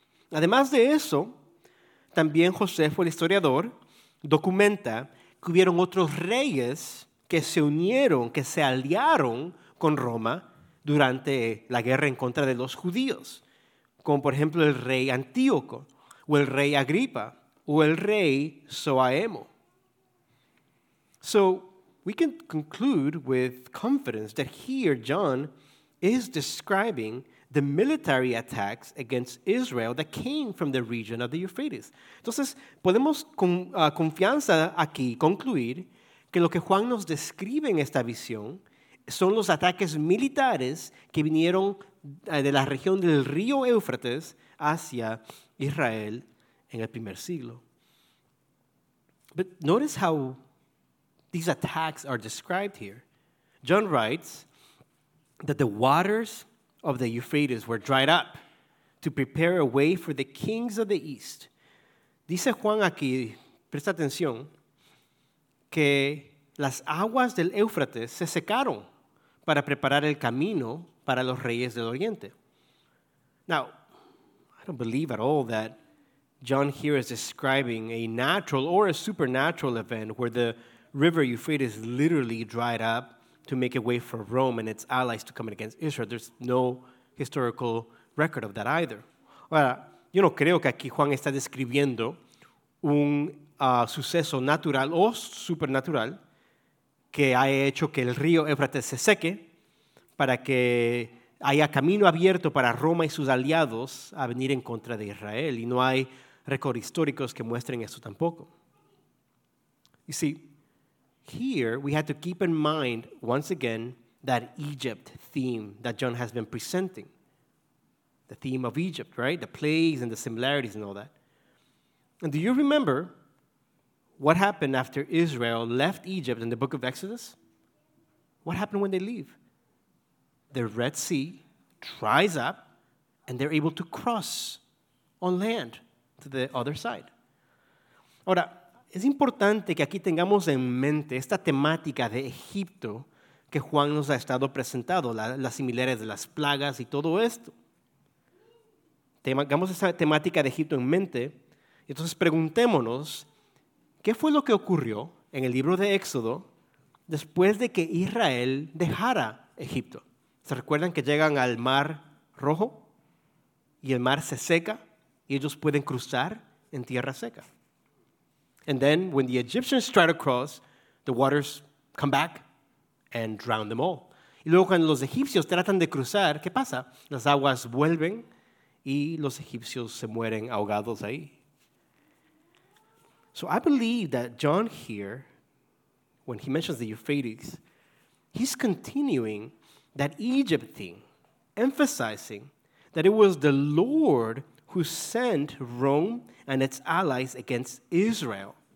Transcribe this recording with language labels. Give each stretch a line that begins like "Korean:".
Spanish: Además de eso, también Josefo, el historiador, documenta que hubieron otros reyes que se unieron, que se aliaron con Roma durante la guerra en contra de los judíos, como por ejemplo el rey Antíoco, o el rey Agripa, o el rey Zoaemo.
English: So, we can conclude with confidence that here John is describing the military attacks against Israel that came from the region of the Euphrates.
Spanish: Entonces, podemos con confianza aquí concluir que lo que Juan nos describe en esta visión son los ataques militares que vinieron de la región del río Éufrates hacia Israel en el primer siglo.
English: But notice how these attacks are described here. John writes that the waters of the Euphrates were dried up to prepare a way for the kings of the east.
Spanish: Dice Juan aquí, presta atención, que las aguas del Éufrates se secaron para preparar el camino para los reyes del Oriente.
English: Now, I don't believe at all that John here is describing a natural or a supernatural event where the river Euphrates literally dried up to make a way for Rome and its allies to come in against Israel. There's no historical record of that either.
Spanish: Ahora, yo no creo que aquí Juan está describiendo un suceso natural o supernatural que haya hecho que el río Éufrates se seque para que haya camino abierto para Roma y sus aliados a venir en contra de Israel. Y no hay récords históricos que muestren esto tampoco.
English: You see, here we have to keep in mind, once again, that Egypt theme that John has been presenting. The theme of Egypt, right? The plagues and the similarities and all that. And do you remember what happened after Israel left Egypt in the book of Exodus? What happened when they leave? The Red Sea dries up and they're able to cross on land to the other side.
Spanish: Ahora, es importante que aquí tengamos en mente esta temática de Egipto que Juan nos ha estado presentando, las similares de las plagas y todo esto. Tengamos esa temática de Egipto en mente, y entonces preguntémonos, ¿qué fue lo que ocurrió en el libro de Éxodo después de que Israel dejara Egipto? ¿Se recuerdan que llegan al Mar Rojo y el mar se seca y ellos pueden cruzar en tierra seca?
English: And then when the Egyptians try to cross, the waters come back and drown them all.
Spanish: Y luego cuando los egipcios tratan de cruzar, ¿qué pasa? Las aguas vuelven y los egipcios se mueren ahogados ahí.
English: So I believe that John here, when he mentions the Euphrates, he's continuing that Egypt thing, emphasizing that it was the Lord who sent Rome and its allies against Israel.